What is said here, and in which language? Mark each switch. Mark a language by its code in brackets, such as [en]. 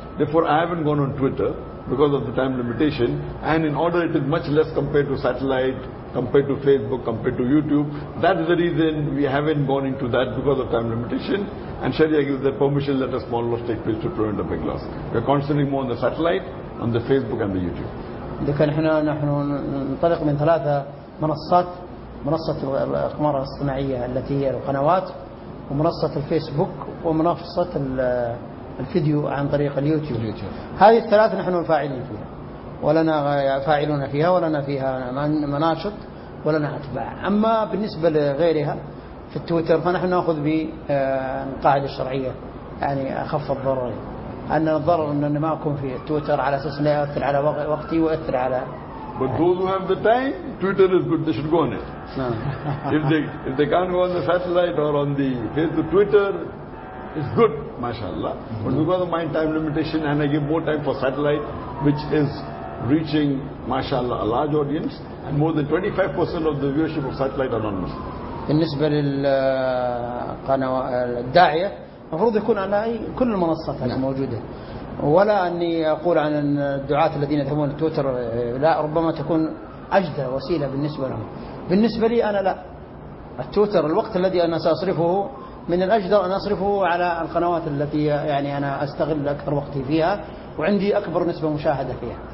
[en] Therefore, I haven't gone on Twitter because of the time limitation, and in order it is much less compared to satellite, compared to Facebook, compared to YouTube. That is the reason we haven't gone into that because of time limitation, and Sharia gives the permission let a small loss take place to prevent a big loss. We are concentrating more on the satellite, on the Facebook and the YouTube. [ar] إذا كان إحنا نحن نطلق من ثلاثة منصات، منصة الأقمار الصناعية التي هي القنوات، ومنصة الفيسبوك، ومنصة الفيديو عن طريق اليوتيوب. هذه الثلاثة نحن فاعلين فيها ولنا فاعلون فيها، ولنا فيها مناشط ولنا أتباع. أما بالنسبة لغيرها في التويتر فنحن نأخذ بالقاعدة الشرعية يعني أخف الضرر، أن الضرر أنني ما أكون في تويتر على أساس أنه يؤثر على وقتي ويؤثر على. [en] But those who have the time, Twitter is good, they should go on it. if they can't go on the satellite or on the Facebook, Twitter is good, mashallah. But because of my time limitation and I give more time for satellite, which is reaching, mashallah, a large audience, and more than 25% of the viewership of satellite are non-Muslim. [ar] بالنسبة للقنوة الداعية المفروض يكون على كل المنصات الموجودة، ولا أني أقول عن الدعاة الذين يذهبون تويتر، لا، ربما تكون أجدى وسيلة بالنسبة لهم. بالنسبة لي أنا لا، التويتر الوقت الذي أنا سأصرفه من الأجدى أن أصرفه على القنوات التي يعني أنا أستغل أكثر وقتي فيها وعندي أكبر نسبة مشاهدة فيها.